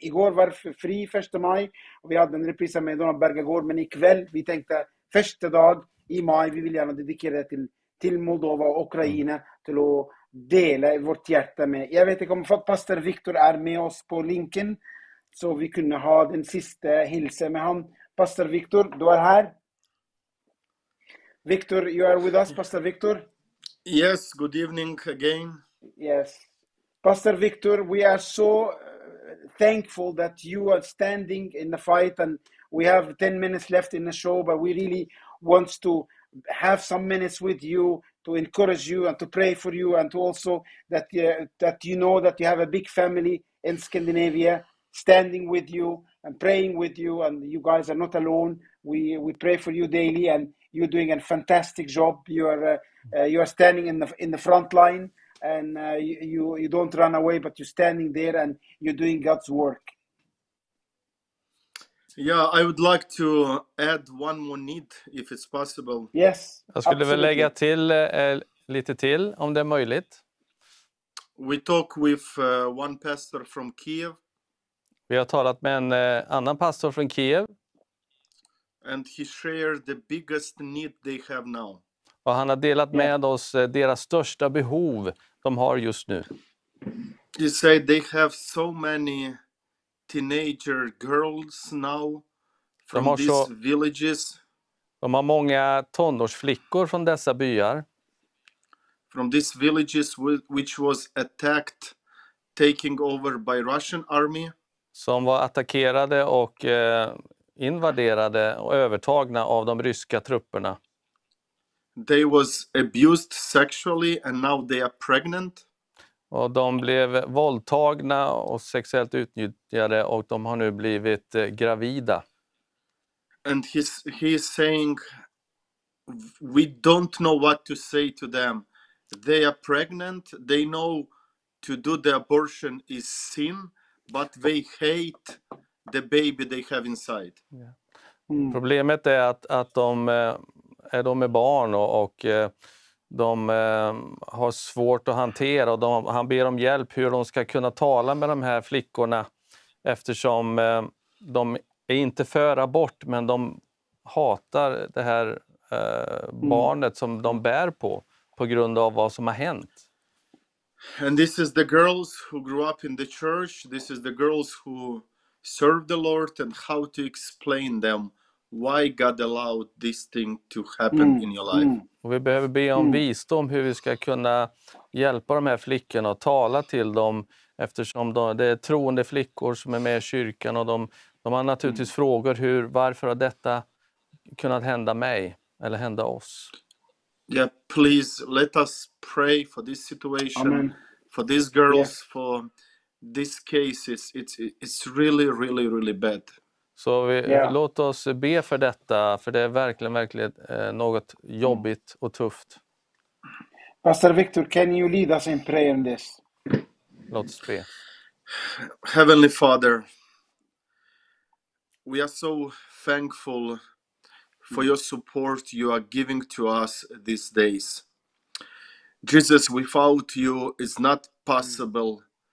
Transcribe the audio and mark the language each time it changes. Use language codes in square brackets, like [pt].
[no] I går var fri 1. mai, og vi hadde en reprise med Donald Bergegård, men i kveld, vi tenkte første dag i mai, vi vil gjerne dedikere det til Moldova og Ukraina, til å dele vårt hjerte med. Jeg vet ikke om Pastor Victor er med oss på linken, så vi kunne ha den siste hilsen med han. Pastor Victor, du er her. [en] Victor, you are with us, Pastor Victor. Yes, good evening again. Yes. Pastor Victor, we are so thankful that you are standing in the fight, and we have 10 minutes left in the show, but we really want to have some minutes with you to encourage you and to pray for you, and to also that you know that you have a big family in Scandinavia standing with you. I'm praying with you, and you guys are not alone. We pray for you daily, and you're doing a fantastic job. You are standing in the front line, and you don't run away, but you're standing there and you're doing God's work. Yeah, I would like to add one more need, if it's possible. Yes, [sv] jag skulle väl lägga till lite till, om det är möjligt. [en] We talk with one pastor from Kiev. [sv] Vi har talat med en annan pastor från Kiev. [en] And he shared the biggest need they have now. [sv] Och han har delat med oss deras största behov de har just nu. [en] He said they have so many teenager girls now from these villages. [sv] De har många tonårsflickor från dessa byar. [en] From these villages which was attacked, taking over by Russian army. [sv] Som var attackerade och invaderade och övertagna av de ryska trupperna. [en] They was abused sexually and now they are pregnant. [sv] Och de blev våldtagna och sexuellt utnyttjade och de har nu blivit gravida. [en] And he's saying we don't know what to say to them. They are pregnant. They know to do the abortion is sin. But they hate the baby they have inside. [sv] Problemet är att de är de med barn och de har svårt att hantera. Och han ber om hjälp hur de ska kunna tala med de här flickorna. Eftersom de är inte för abort, men de hatar det här barnet som de bär på grund av vad som har hänt. [en] And this is the girls who grew up in the church. This is the girls who serve the Lord, and how to explain them why God allowed this thing to happen in your life. [sv] Och vi behöver be om visdom hur vi ska kunna hjälpa de här flickorna och tala till dem, eftersom det är troende flickor som är med i kyrkan, och de har naturligtvis frågor varför har detta kunnat hända mig eller hända oss. [en] Yeah, please let us pray for this situation. Amen. For these girls, yeah. For this case, it's really, really, really bad. [sv] Så låt oss be för detta, för det är verkligen, verkligen något jobbigt och tufft. [en] Pastor Victor, can you lead us in prayer on this? [sv] Låt oss be. [en] Heavenly Father, we are so thankful for your support you are giving to us these days. Jesus, without you, it's not possible